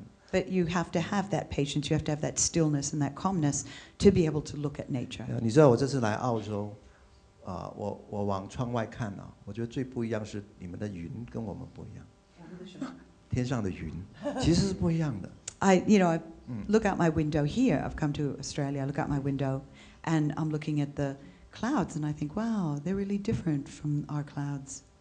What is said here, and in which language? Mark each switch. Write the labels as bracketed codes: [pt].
[en] but you have to have that patience, you have to have that stillness and that calmness to be able to look at nature. [zh] 你知道我这次来澳洲, 我往窗外看啊, 我觉得最不一样是你们的云跟我们不一样。天上的云, 其实是不一样的。 [en] I, you know, I look out my window here. I've come to Australia. I look out my window, and I'm looking at the clouds, and I think, wow, they're really different from our clouds.